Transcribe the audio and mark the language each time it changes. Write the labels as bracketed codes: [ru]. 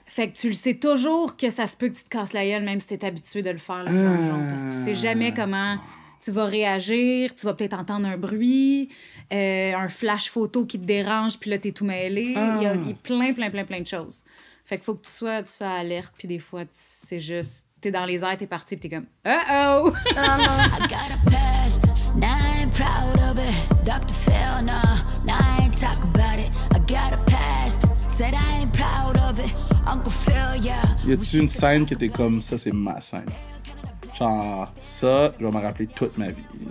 [fr] Fait que tu le sais toujours que ça se peut que tu te casses la gueule, même si t'es habitué de le faire, là, parce que tu sais jamais comment tu vas réagir, tu vas peut-être entendre un bruit, un flash photo qui te dérange, puis là, t'es tout mêlé. Il y a plein de choses. Fait qu'il faut que tu sois alerte, puis des fois, c'est juste... T'es dans les airs, t'es parti, puis t'es comme... Uh-oh! Oh non! [en] I got a past, now I ain't proud of it. Dr. Phil, no, now I ain't talk about it. I got a past, said I ain't proud of it. Uncle Phil, yeah. [fr] Y'a-tu une scène qui était comme, ça, c'est ma scène? Genre, ça, je vais m'en rappeler toute ma vie.